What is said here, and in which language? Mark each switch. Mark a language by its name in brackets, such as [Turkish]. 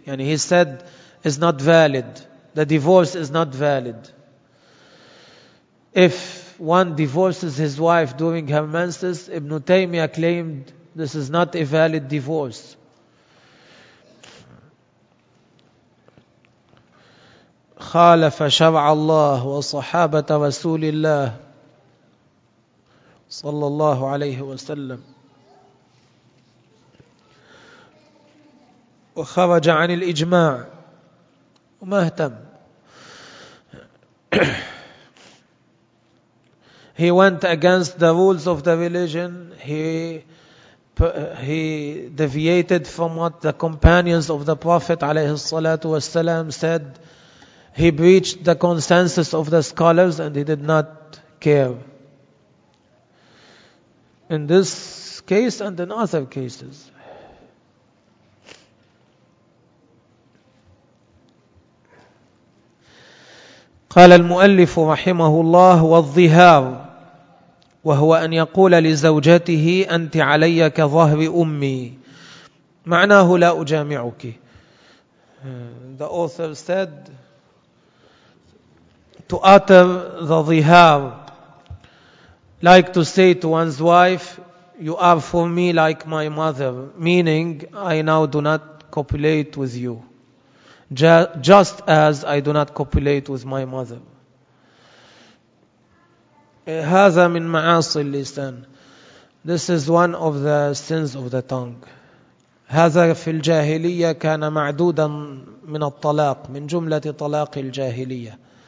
[English] And he said it's not valid. The divorce is not valid. If one divorces his wife during her menses, Ibn Taymiyyah claimed this is not a valid divorce. [Arabic] خالف شرع الله وصحابة رسول الله صلى الله عليه وسلم وخرج عن الإجماع وما اهتم. [English] He went against the rules of the religion. He deviated from what the companions of the Prophet [Arabic] alayhi salatu wasalam [English] said. He breached the consensus of the scholars and he did not care. In this case and in other cases. [Arabic] قال المؤلف رحمه الله والظهار وهو أن يقول لزوجته أنت علي كظهر أمي معناه لا أجامعك. [English] The author said to utter the ظهار, like to say to one's wife, you are for me like my mother, meaning I now do not copulate with you, just as I do not copulate with my mother. [Arabic] هذا من معاصي اللسان. [English] This is one of the sins of the tongue. [Arabic] هذا في الجاهلية كان معدودا من الطلاق, من جملة طلاق الجاهلية.